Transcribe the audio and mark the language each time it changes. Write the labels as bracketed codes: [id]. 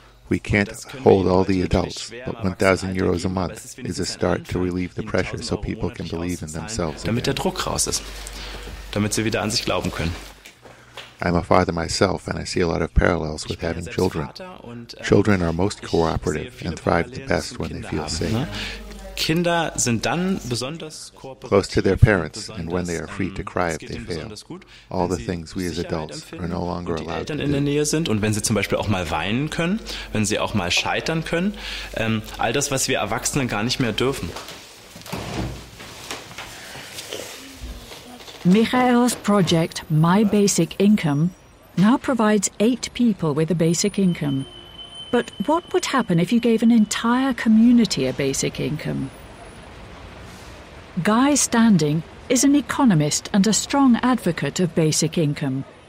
[en] We can't hold all the adults, but 1,000 euros a month is a start to relieve the pressure so people can believe in themselves again. I'm a father myself, and I see a lot of parallels with having children. Children are most cooperative and thrive the best when they feel safe. [de] Kinder sind dann besonders kooperativ, [en] close to their parents, and when they are free to cry if they fail, all the things we as adults are no longer allowed to do. [de] In der Nähe sind und wenn sie zum Beispiel auch mal weinen können, wenn sie auch mal scheitern können, all das, was wir Erwachsenen gar nicht mehr dürfen. [en] Michael's project, My Basic Income, now provides 8 people with a basic income. But what would happen if you gave an entire community a basic income? Guy Standing is an economist and a strong advocate of basic income.